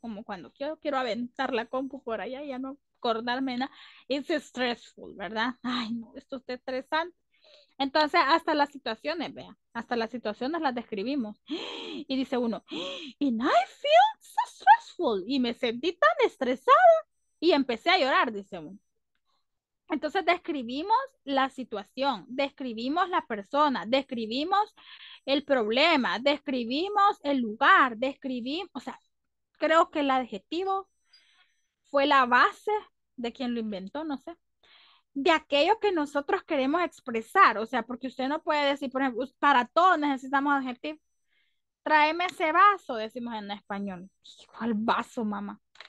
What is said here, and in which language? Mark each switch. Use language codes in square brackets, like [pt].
[es] Como cuando yo quiero aventar la compu por allá y ya no acordarme nada. [en] It's stressful, [es] ¿verdad? Ay, no, esto está estresante. Entonces, hasta las situaciones, vea, hasta las situaciones las describimos. Y dice uno, [en] and I feel so stressful. [es] Y me sentí tan estresada. Y empecé a llorar, dice uno. Entonces describimos la situación, describimos la persona, describimos el problema, describimos el lugar, describimos, o sea, creo que el adjetivo fue la base de quien lo inventó, no sé, de aquello que nosotros queremos expresar, o sea, porque usted no puede decir, por ejemplo, para todo necesitamos adjetivo, tráeme ese vaso, decimos en español, ¿cuál vaso, mamá?